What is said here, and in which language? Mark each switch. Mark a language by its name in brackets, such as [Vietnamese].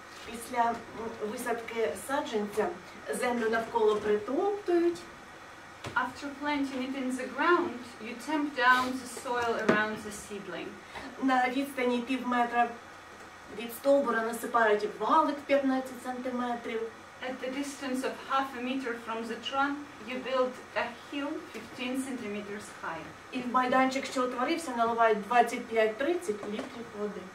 [Ukrainian] Після висадки саджанця землю навколо притоптують. [English] After planting it in the ground, you tamp down the soil around the seedling. [Ukrainian] На відстані пів метра від стовбура насипають валик 15 сантиметрів. [English] At the distance of half a meter from the trunk, you build a hill 15 centimeters high. [Ukrainian] І в майданчик, що утворився, наливають 25-30 літрів води.